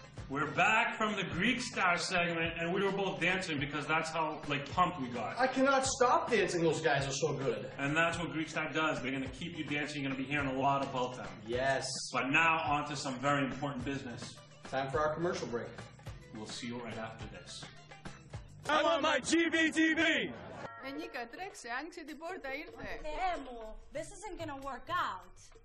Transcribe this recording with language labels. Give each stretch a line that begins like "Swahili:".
English: We're back from the Greekstar segment, and we were both dancing because that's how, like, pumped we got. I cannot stop dancing. Those guys are so good. And that's what Greekstar does. They're going to keep you dancing. You're going to be hearing a lot about them. Yes. But now on to some very important business. Time for our commercial break. We'll see you right after this. I want my GBTV!
Greek: Hey, Nika, τρέξε, άνοιξε την πόρτα, ήρθε. Θεέ μου,
English: this isn't gonna work out.